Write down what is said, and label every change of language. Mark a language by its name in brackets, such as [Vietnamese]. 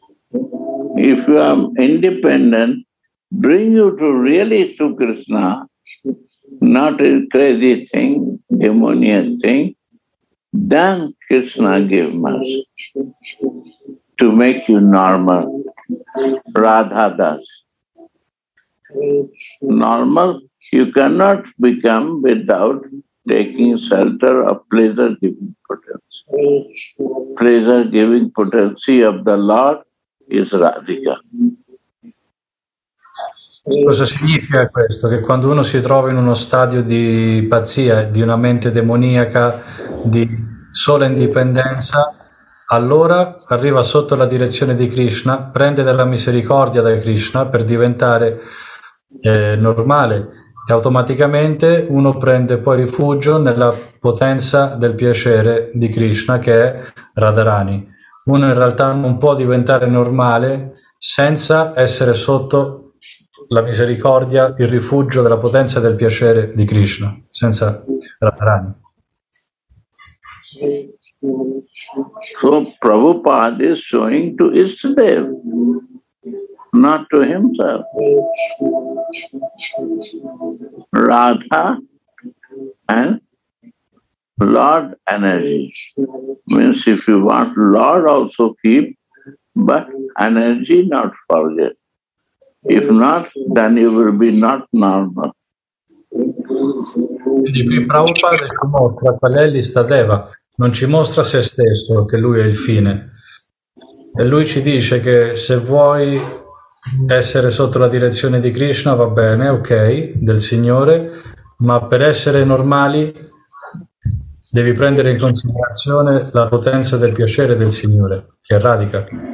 [English] If you are independent, bring you to really to Krishna, not a crazy thing, demonic thing, then Krishna give mercy to make you normal, Radha Das. Normal, you cannot become without taking shelter of pleasure-giving potency. Pleasure-giving potency of the Lord is Radhika. [Italian] Cosa significa questo? Che quando uno si trova in uno stadio di pazzia, di una mente demoniaca, di sola indipendenza, allora arriva sotto la direzione di Krishna, prende della misericordia da Krishna per diventare normale, e automaticamente uno prende poi rifugio nella potenza del piacere di Krishna, che è Radharani. Uno in realtà non può diventare normale senza essere sotto la misericordia, il rifugio della potenza del piacere di Krishna, senza Radharani. [English] So Prabhupada is showing to Ishtadev, not to himself. Radha and Lord energy means if you want Lord also keep, but energy not forget. If not, then you will be not normal. [Italian] Quindi qui Prabhupada ci mostra qual è l'Ishtadeva, non ci mostra se stesso, che lui è il fine. E lui ci dice che se vuoi essere sotto la direzione di Krishna va bene, ok, del Signore, ma per essere normali devi prendere in considerazione la potenza del piacere del Signore, che è radica.